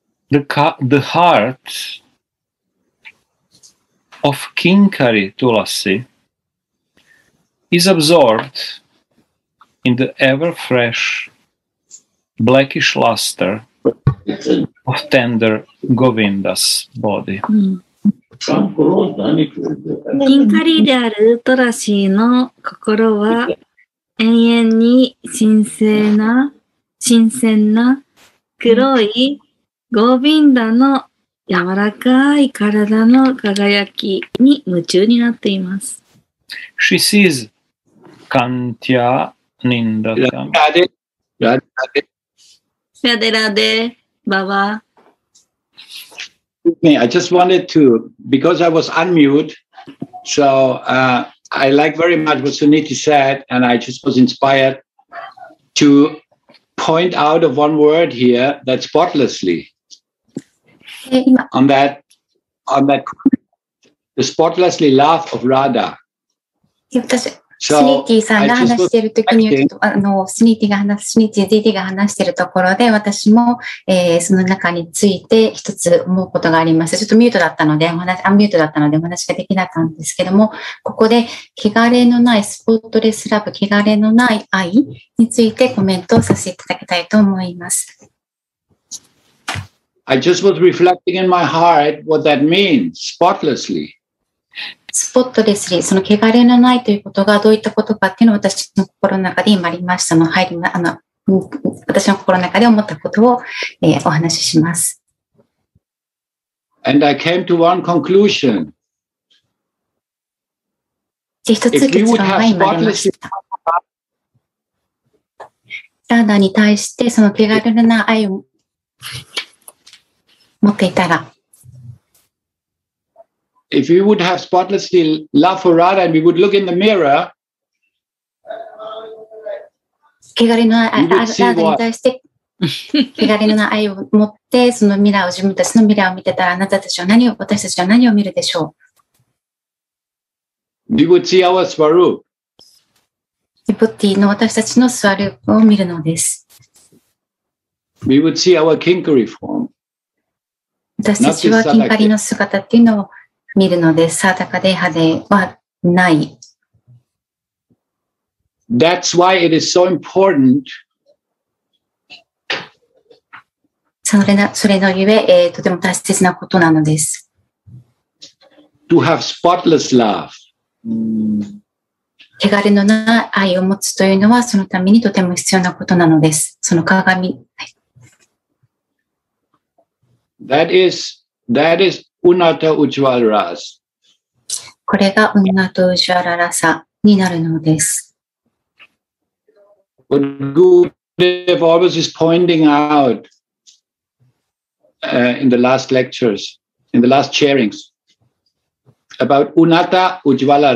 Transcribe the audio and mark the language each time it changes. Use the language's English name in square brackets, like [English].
[English] The heart of Kinkari Tulasi is absorbed in the ever-fresh blackish luster of tender Govinda's body. [Japanese] Kinkari である Tulasi の心は永遠に新鮮な黒いゴビンダの柔らかい体の輝きに夢中になっています。 [English] She sees Kantya Nindatam. [Hindi] Radhe, Radhe, Radhe, Radhe, Baba. [English] Excuse me, I just wanted to, because I was unmuted, so I like very much what Suniti said, and I just was inspired to point out of one word here that spotlessly. On that, the spotlessly love of Radha. [Japanese] So, Suniti が話しているときに、Suniti が話しているところで、私も、その中について一つ思うことがあります。ちょっとミュートだったので、アンミュートだったので、お話ができなかったんですけども、ここで、汚れのないスポットレスラブ、汚れのない愛についてコメントをさせていただきたいと思います。 [English] I just was reflecting in my heart what that means, spotlessly. [Japanese] Spotlessly, その汚れのないということがどういったことかっていうのを私の心の中で今ありましたの、入りま、あの、私の心の中で思ったことを、お話しします。 [English] And I came to one conclusion. [Japanese] で、一つ結論が今ありました。ラーダに対してその汚れのない愛を持っていたら、 [English] If we would have spotlessly love for Radha and we would look in the mirror, [Japanese] 汚れのラーダに対して汚れのない愛を持ってそのミラーを自分たちのミラーを見てたら、あなたたちは何を私たちは何を見るでしょう。 [English] We would see our Swarup. [Japanese] ヴィブッティの私たちのスワルプを見るのです。 [English] We would see our Kinkari form. [Japanese] 私たちはキンカリの姿っていうのを見るので、サータカデハではない。 [English] That's why it is so important. [Japanese] それのゆえ、とても大切なことなのです。 [English] To have spotless love. [Japanese] 汚れのない愛を持つというのは、そのためにとても必要なことなのです。その鏡。 [English] That is Unnata Ujjvala Rasa. [Japanese] これが Unnata Ujjvala Rasa になるのです。 [English] But Gurudev always is pointing out in the last lectures, in the last sharings, about Unnata Ujjvala